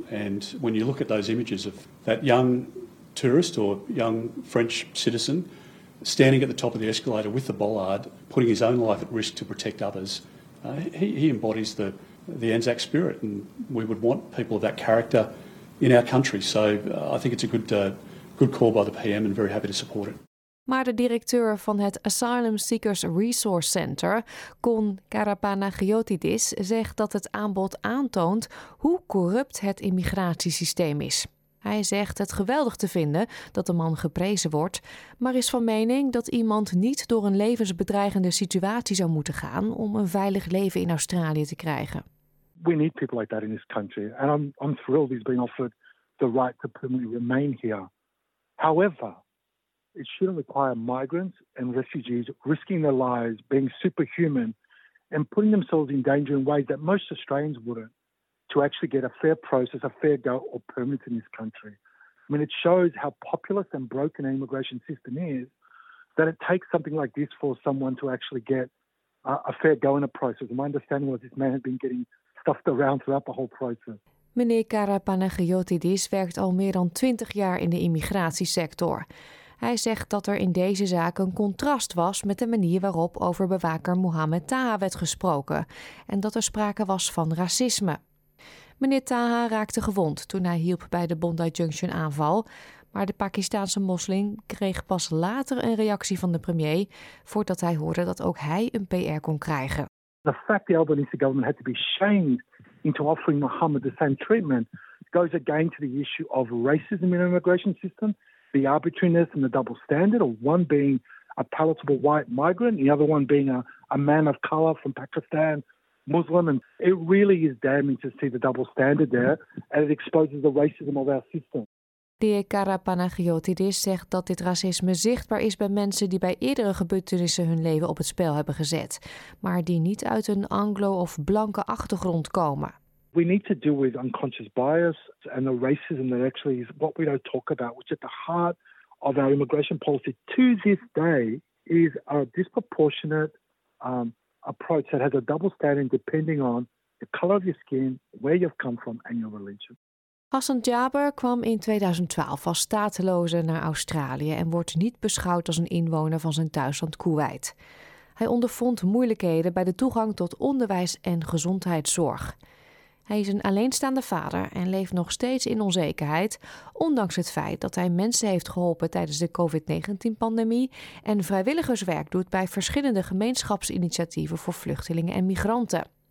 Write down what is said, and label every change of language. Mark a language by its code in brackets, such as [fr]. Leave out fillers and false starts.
[en] And when you look at those images of that young tourist or young French citizen standing at the top of the escalator with the bollard, putting his own life at risk to protect others, he embodies the Anzac spirit, and we would want people of that character in our country. So I think it's a good call by the PM and very happy to support it. [nl] Maar de directeur van het Asylum Seekers Resource Center, Kon Karapanagiotidis, zegt dat het aanbod aantoont hoe corrupt het immigratiesysteem is. Hij zegt het geweldig te vinden dat de man geprezen wordt, maar is van mening dat iemand niet door een levensbedreigende situatie zou moeten gaan om een veilig leven in Australië te krijgen. [en] We need people like that in this country, and I'm thrilled he's been offered the right to permanently remain here. However, It shouldn't require migrants and refugees risking their lives, being superhuman, and putting themselves in danger in ways that most Australians wouldn't, to actually get a fair process, a fair go or permit in this country. I mean, it shows how populist and broken an immigration system is that it takes something like this for someone to actually get a fair go in a process. And my understanding was this man had been getting stuffed around throughout the whole process. [nl] Meneer Kara Panagiotidis werkt al meer dan 20 jaar in de immigratiesector. Hij zegt dat er in deze zaak een contrast was met de manier waarop over bewaker Mohamed Taha werd gesproken en dat er sprake was van racisme. Meneer Taha raakte gewond toen hij hielp bij de Bondi Junction aanval, maar de Pakistaanse moslim kreeg pas later een reactie van de premier voordat hij hoorde dat ook hij een PR kon krijgen. [en] The fact the Albanese government had to be shamed into offering Mohamed the same treatment goes again to the issue of racism in the immigration system, the arbitrariness and the double standard of one being a palatable white migrant, the other one being a man of color from Pakistan, Muslim, and it really is damning to see the double standard there, and it exposes the racism of our system. [nl] De heer Kara Panagiotidis zegt dat dit racisme zichtbaar is bij mensen die bij eerdere gebeurtenissen hun leven op het spel hebben gezet, maar die niet uit een Anglo- of blanke achtergrond komen. [en] We need to deal with unconscious bias and the racism that actually is what we don't talk about, which at the heart of our immigration policy to this day is a disproportionate approach that has a double standard depending on the color of your skin, where you've come from and your religion. [nl] Hassan Jaber kwam in 2012 als stateloze naar Australië en wordt niet beschouwd als een inwoner van zijn thuisland Kuwait. Hij ondervond moeilijkheden bij de toegang tot onderwijs en gezondheidszorg. Hij is een alleenstaande vader en leeft nog steeds in onzekerheid, ondanks het feit dat hij mensen heeft geholpen tijdens de COVID-19-pandemie en vrijwilligerswerk doet bij verschillende gemeenschapsinitiatieven voor vluchtelingen en migranten.